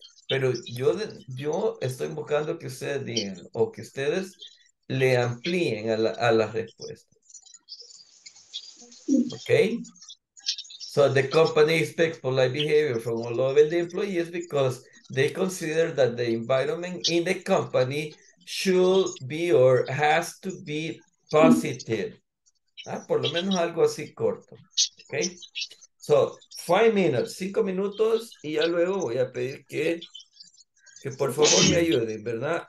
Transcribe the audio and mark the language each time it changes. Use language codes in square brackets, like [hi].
[es] Pero yo estoy buscando que ustedes digan o que ustedes le amplíen a la respuesta. [en] Okay? So the company expects polite behavior from all of the employees because they consider that the environment in the company should be or has to be positive. [es] Ah, por lo menos algo así corto. Okay? So, [en] 5 minutes, [es] 5 minutos, y ya luego voy a pedir que por favor me ayuden, ¿verdad?